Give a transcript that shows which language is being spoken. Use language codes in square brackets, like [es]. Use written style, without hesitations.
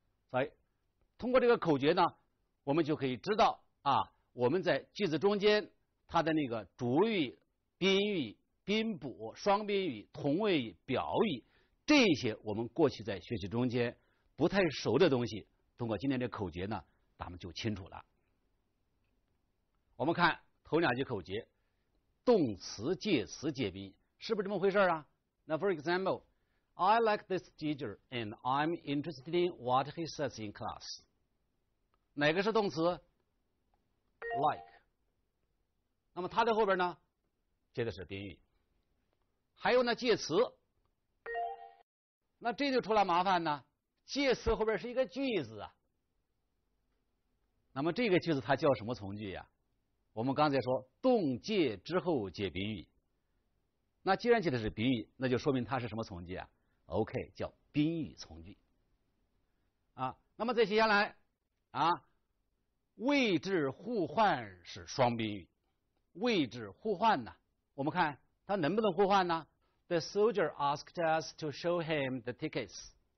[zh] 所以通过这个口诀呢，我们就可以知道啊，我们在句子中间它的那个主语、宾语、宾补、双宾语、同位语、表语，这些我们过去在学习中间不太熟的东西，通过今天的口诀呢，咱们就清楚了。我们看头两句口诀，动词、介词、介宾，是不是这么回事啊？ [en] 那 for example， I like this teacher and I'm interested in what he says in class。 [zh] 哪个是动词？like。那么它的后边呢，接的是宾语。还有呢，介词，那这就出来麻烦呢，介词后边是一个句子啊。那么这个句子它叫什么从句呀？我们刚才说动介之后接宾语，那既然接的是宾语，那就说明它是什么从句啊？ OK， 叫宾语从句啊。那么再接下来啊，位置互换是双宾语。位置互换呢，我们看它能不能互换呢？ [en] The soldier asked us to show him the tickets。